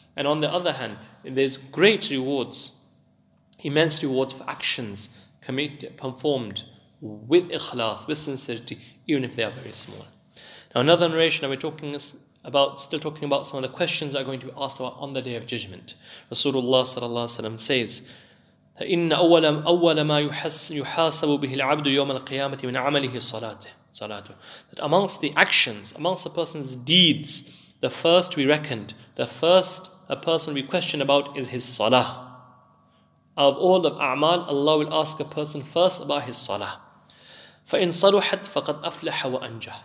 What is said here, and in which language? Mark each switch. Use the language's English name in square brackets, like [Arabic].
[English] And on the other hand, there's great rewards, immense rewards for actions performed with ikhlas, with sincerity, even if they are very small. Now another narration that we're talking about, still talking about some of the questions that are going to be asked about on the Day of Judgment. [Arabic] Rasulullah sallallahu alayhi wa sallam says, إِنَّ أَوَّلَ مَا يُحَاسَبُ بِهِ الْعَبْدُ يَوْمَ الْقِيَامَةِ مِنْ عَمَلِهِ صَلَاتُ. [English] That amongst the actions, amongst a person's deeds, the first we reckoned, the first a person we question about is his salah. Out of all of a'mal, Allah will ask a person first about his salah. [Arabic] فَإِنْ صَلُحَتْ فَقَدْ أَفْلَحَ وَأَنْجَحَ.